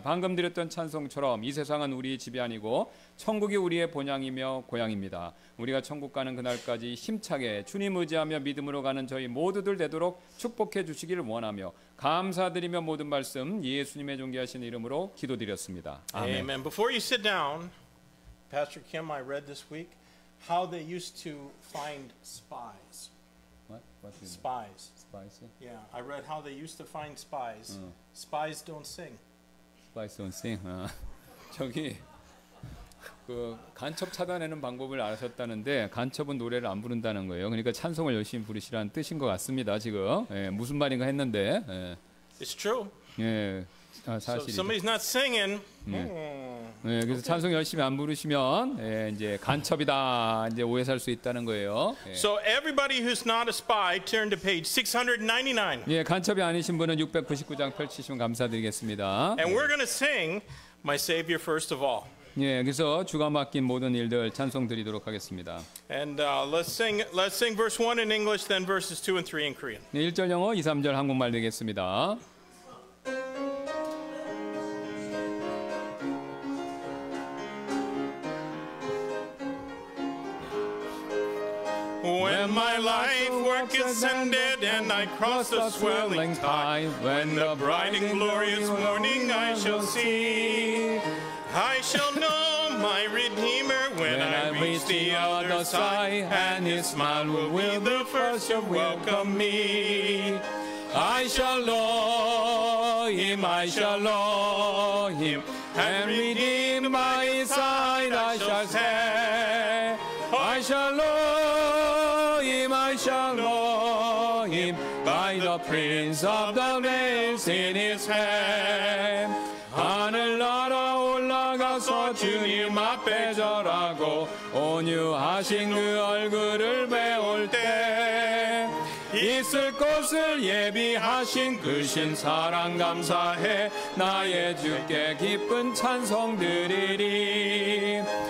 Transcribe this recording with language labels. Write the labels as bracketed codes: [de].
[ko] 방금 드렸던 찬송처럼 이 세상은 우리의 집이 아니고 천국이 우리의 본향이며 고향입니다. 우리가 천국 가는 그날까지 힘차게 주님 의지하며 믿음으로 가는 저희 모두들 되도록 축복해 주시기를 원하며 감사드리며 모든 말씀 예수님의 존귀하신 이름으로 기도드렸습니다. 아멘. [en] Amen. Before you sit down, Pastor Kim, I read this week how they used to find spies. What? Spies. Spies? Yeah, I read how they used to find spies. Spies don't sing. Spies don't sing. [ko] 저기 그 간첩 차단하는 방법을 아셨다는데 간첩은 노래를 안 부른다는 거예요. 그러니까 찬송을 열심히 부르시라는 뜻인 것 같습니다. 지금 예, 무슨 말인가 했는데. 예. [en] It's true. [ko] 예. 아, 사실이죠. [en] So somebody's not singing. [ko] 네. 네, 그래서 okay. 찬송 열심히 안 부르시면 네, 이제 간첩이다 이제 오해 살 수 있다는 거예요. 네. [en] So everybody who's not a spy, turn to page 699. [ko] 네, 간첩이 아니신 분은 699장 펼치시면 감사드리겠습니다. [en] And we're gonna sing my Savior first of all. [ko] 네, 그래서 주가 맡긴 모든 일들 찬송 드리도록 하겠습니다. [en] And let's sing verse 1 in English, then verses 2 and 3 in Korean. [ko] 네, 1절 영어, 2, 3절 한국말 되겠습니다. [en] When my life work is ended and I cross the swelling tide, when the bright and glorious morning I shall see, I shall know my Redeemer when I reach the other side, and His smile will be the first to welcome me. I shall know Him, I shall know Him, and redeem my side I shall say. I shall know Him, I shall know Him, by the prints of the nails in His hand. [ko] 하늘 날아 올라가서 주님 앞에 절하고 온유하신 그 얼굴을 배울 때, 이 있을 것을 예비하신 그 신사랑 감사해 나의 주께 기쁜 찬송 드리리.